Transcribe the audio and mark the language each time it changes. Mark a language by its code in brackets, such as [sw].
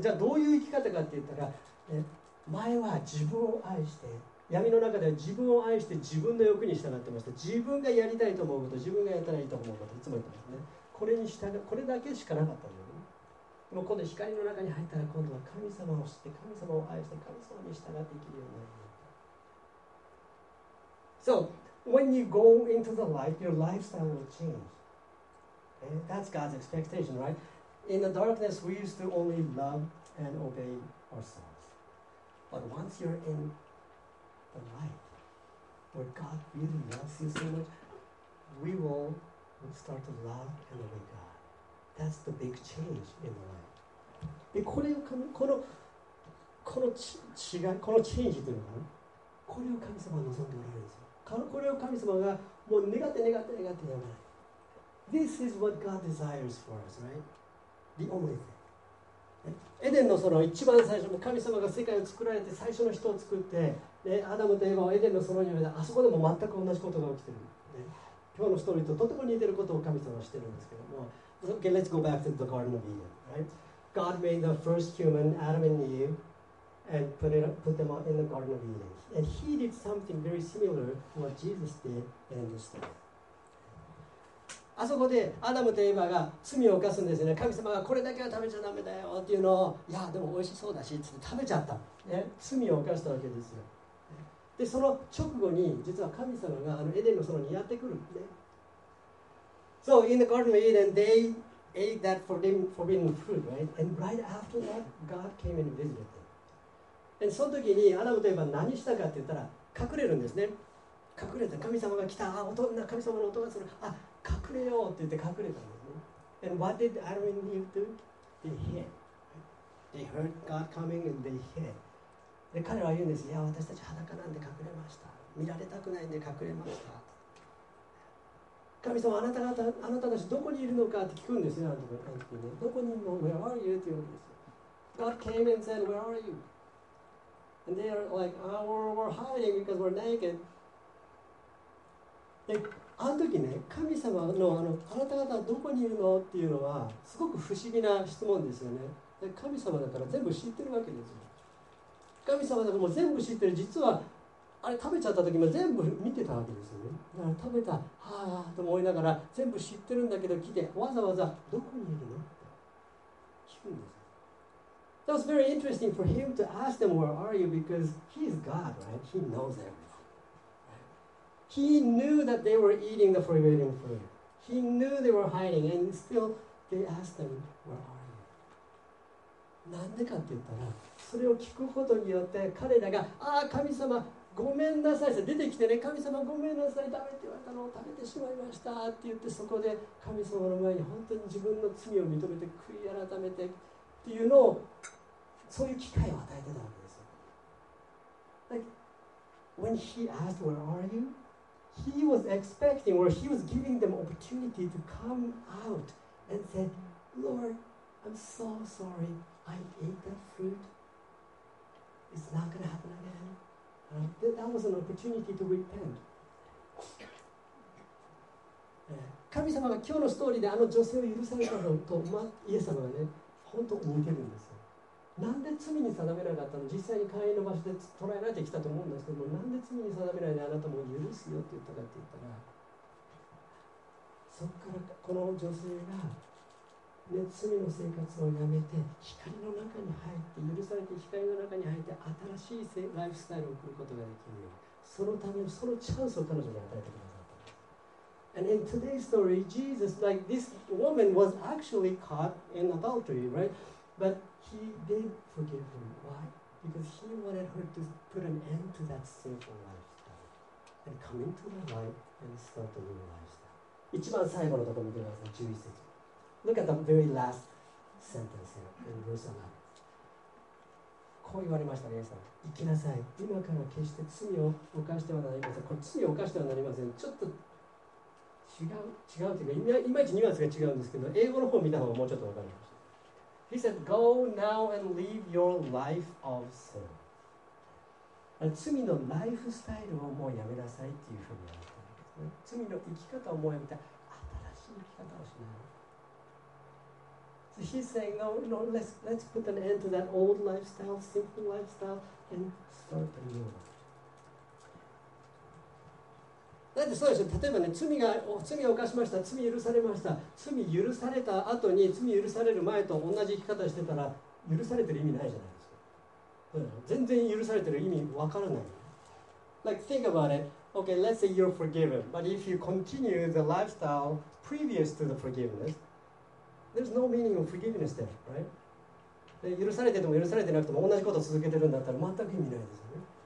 [ja] で、じゃあどういう生き方かって言ったら、ね、前は自分を愛して、闇の中では自分を愛して自分の欲に従ってました。自分がやりたいと思うこと、自分がやったらいいと思うこと、いつも言ってますね。これに従う、これだけしかなかったんだよね。でも今度光の中に入ったら、今度は神様を知って、神様を愛して、神様に従って生きるようになる。 [en] So, when you go into the light, your lifestyle will change. That's God's expectation, right? In the darkness, we used to only love and obey ourselves. But once you're in the light, where God really loves you so much, we will start to love and obey God. That's the big change in the light. [ja] で、これを、この違い、このチェンジというのかな、これを神様は望んでおられるんですよ。これを神様がもう願って願って願ってやらない。 [en] This is what God desires for us, right? The only thing. [ja] エデンのその一番最初の神様が世界を作られて最初の人を作って、ね、アダムとエヴァをエデンの園に置いて、あそこでも全く同じことが起きている、ね、今日のストーリーととても似ていることを神様はしているんですけども、 [en] Okay, let's go back to the Garden of Eden、right? God made the first human, Adam and Eve, and put them in the Garden of Eden. And he did something very similar to what Jesus did in the story. [ja] あそこでアダムとエヴァが罪を犯すんですよね。神様がこれだけは食べちゃダメだよっていうのを、いやでも美味しそうだしって食べちゃった、ね、罪を犯したわけですよ。でその直後に実は神様があのエデンの園にやってくるんで、ね、 [en] So in the Garden of Eden they ate that forbidden fruit, right? And right after that God came and visited them. And [ja] その時にアダムとエヴァ何したかって言ったら隠れるんですね。隠れた、神様が来た、あ、音、神様の音がする、あ、隠れようって言って隠れたんですね。 [en] And what did Adam and Eve do? They hid. They heard God coming and they hid. [ja] で、彼は言うんです。いや、私たち裸なんで隠れました。見られたくないんで隠れました。神様、あなたたちどこにいるのかって聞くんですよ。どこにいるの？ [en] Where are you? [ja] って言うんですよ。 [en] God came and said, Where are you? And they are like, Oh, we're hiding because we're naked. [ja] であの時ね、神様の あなた方はどこにいるのっていうのはすごく不思議な質問ですよね。で神様だから全部知ってるわけですよ。神様だからもう全部知ってる。実はあれ食べちゃった時も全部見てたわけですよね。だから食べた、はぁと思いながら全部知ってるんだけど、来てわざわざどこにいるのって聞くんですよ。 [en] That was very interesting for him to ask them where are you because he is God, right? He knows everythingHe knew that they were eating the forbidden fruit. He knew they were hiding, and still they asked him, Where are you? [ja] なんでかって言ったら、それを聞くことによって彼らが、ああ神様ごめんなさい、出てきてね、神様ごめんなさい、食べて言われたのを食べてしまいましたって言って、そこで神様の前に本当に自分の罪を認めて悔い改めてっていうのを、そういう機会を与えてたわけですよ。 [en] Like, when he asked where are you, he was expecting or he was giving them opportunity to come out and said, Lord, I'm so sorry, I ate that fruit, it's not gonna happen again. That was an opportunity to repent. [ja] 神様が今日のストーリーであの女性を許されたのと、イエス様はね、本当に似てるんですよ。なんで罪に定められなかったの、実際に会員の場所で捕らえられてきたと思うんですけども、なんで罪に定められないであなたも許すよって言ったかって言ったら、そこからこの女性が、ね、罪の生活をやめて光の中に入って、許されて光の中に入って新しいライフスタイルを送ることができるように、そのためにそのチャンスを彼女に与えてくださった。 [en] And in today's story, Jesus, like this woman was actually caught in adultery, right? But he did forgive her. Why? Because he wanted her to put an end to that sinful lifestyle and come into the light and start a new lifestyle. [ja] 一番最後のところ見てください、11節。 [en] Look at the very last sentence here in verse 9. [ja] こう言われました、イエス様。行きなさい。今から決して罪を犯してはなりません。これ罪を犯してはなりません。ちょっと違うというか、いまいちニュアンスが違うんですけど、英語の方を見た方がもうちょっと分かりました。 [en] He said, Go now and live your life of sin. [ja] 罪のライフスタイルをもうやめなさいっていうふうに言われたんですね。罪の生き方をもうやめて、新しい生き方をしない。 [en] So he's saying, no, no, let's put an end to that old lifestyle, simple lifestyle, and start a new one. [ja] だってそうですよ。例えばね、罪を犯しました、罪許されました。罪許された後に、罪許される前と同じ生き方してたら、許されてる意味ないじゃないですか。全然許されてる意味わからない。 [en] Like, think about it. Okay, let's say you're forgiven. But if you continue the lifestyle previous to the forgiveness,There's no meaning of forgiveness there, right? [ja] 許されてても許されてなくても同じことを続けてるんだったら全く意味ないですよね。